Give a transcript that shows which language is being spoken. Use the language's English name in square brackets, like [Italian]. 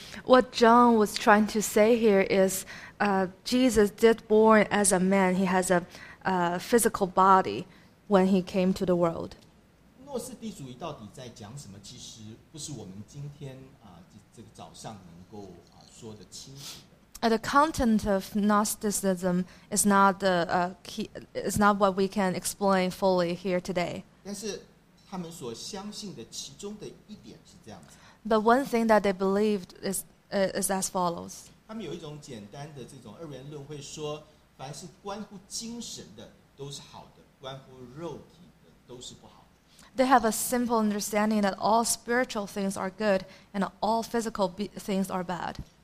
[English] What John was trying to say here is Jesus did born as a man. He has a physical body when he came to the world. [Chinese] 诺斯底主义到底在讲什么？其实不是我们今天这个早上能够说的清楚的。 [English] The content of Gnosticism is not the key, is not what we can explain fully here today. [Chinese] 但是他们所相信的其中的一点是这样子。 [English] But one thing that they believed is as follows. [Chinese] 他们有一种简单的这种二元论会说，凡是关乎精神的都是好的，关乎肉体的都是不好。 [English] They have a simple understanding that all spiritual things are good and all physical things are bad.